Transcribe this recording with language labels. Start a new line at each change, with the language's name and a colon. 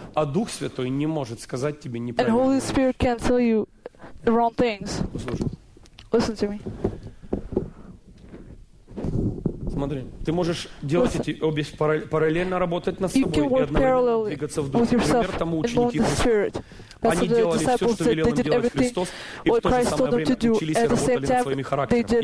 Russian: А Дух Святой не может сказать тебе неправильно.
English: And Holy Spirit can't tell you the wrong things.
Russian: Послушай.
English: Listen to me.
Russian: Смотри, ты можешь делать эти обе параллельно работать над собой.
English: You can work parallelly with yourself and on the Spirit.
Russian: Они делали все, что велел им делать Христос, и в то же самое время учились и работали над своими характерами.